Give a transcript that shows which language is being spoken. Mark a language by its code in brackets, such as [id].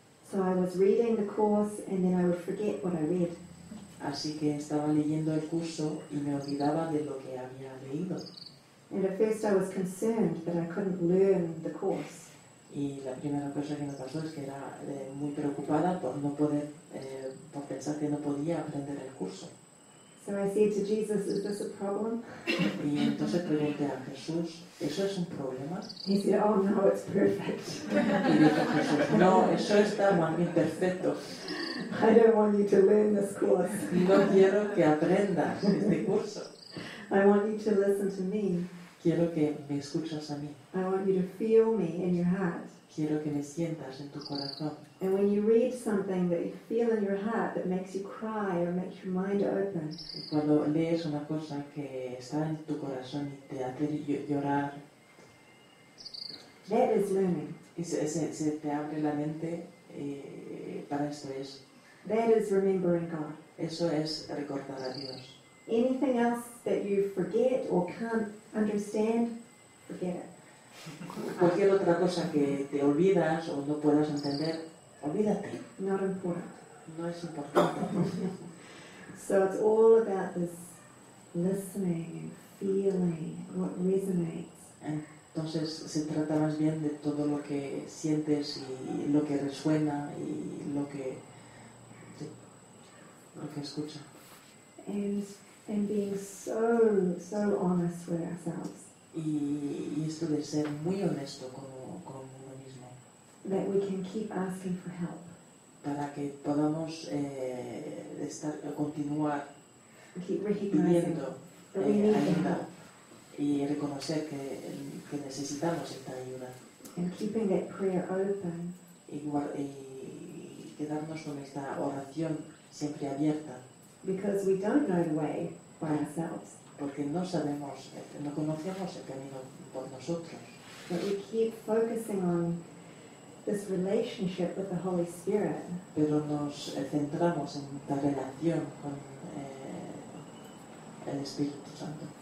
[en] So I was reading the course and then I would forget what I read. [es] Así que estaba leyendo el curso y me olvidaba de lo que había leído. [en] And at first I was concerned that I couldn't learn the course. [es] Y la primera cosa que me pasó es que era muy preocupada por no poder, por pensar que no podía aprender el curso. [en] So I said to Jesus, "Is this a problem?" [es] Y entonces pregunté a Jesús, ¿eso es un problema? [en] He said, "Oh no, it's perfect." [es] Y dijo Jesús, no, eso está más bien perfecto. [en] I don't want you to learn this course. [es] No quiero que aprendas este curso. [en] I want you to listen to me. [es] Quiero que me escuches a mí. [en] I want you to feel me in your heart. [es] Quiero que me sientas en tu corazón. [en] And when you read something that you feel in your heart that makes you cry or makes your mind open. [es] Cuando lees una cosa que está en tu corazón y te hace llorar. [en] That is learning. [es] Y se te abre la mente para esto es. [en] That is remembering God. [es] Eso es recordar a Dios. [en] Anything else that you forget or can't understand, forget it. [es] Cualquier otra cosa que te olvidas o no puedas entender, olvídate. [en] Not important. [es] No es importante. [en] So it's all about this listening and feeling what resonates. [es] Entonces se trata más bien de todo lo que sientes y lo que resuena y lo que escucha. [en] And being so honest with ourselves. [es] Y esto de ser muy honesto con uno mismo. [en] That we can keep asking for help. [es] Para que podamos estar continuar [en] keep recognizing [es] pidiendo [en] that we need [es] ayuda [en] help. [es] Y reconocer que necesitamos esta ayuda. [en] And keeping that prayer open. [es] Y quedarnos con esta oración siempre abierta. [en] Because we don't know the way by ourselves. [es] Porque no sabemos, no conocemos el camino por nosotros. [en] But we keep focusing on this relationship with the Holy Spirit. [es] Pero nos centramos en la relación con el Espíritu Santo.